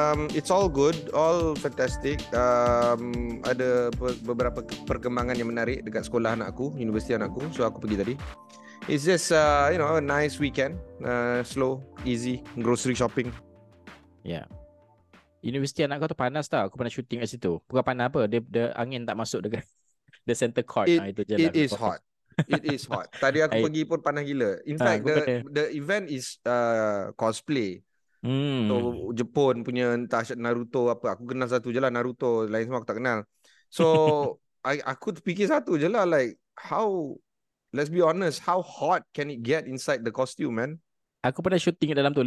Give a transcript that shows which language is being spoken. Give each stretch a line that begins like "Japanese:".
English: It's all good, all fantastic.
Malay: Ada beberapa perkembangan yang menarik dekat sekolah anak aku, universiti anak aku.
English: So,
Malay: aku pergi tadi.
English: It's just, a nice weekend. Slow, easy, grocery shopping.
Malay: Yeah. Universiti anak kau tu panas tau. Aku pernah shooting kat situ. Bukan panas apa, dia angin tak masuk dekat
English: the center court. It is hot. It is hot.
Malay: Tadi aku pergi pun panas gila.
English: In fact, the event is cosplay.
Malay: So, Jepun punya entah Naruto apa. Aku kenal satu je lah Naruto. Lain semua aku tak kenal. So, aku terfikir satu je lah.
English: Like, how, let's be honest, how hot can it get inside the costume, man?
Malay: Aku pernah shooting dalam tu.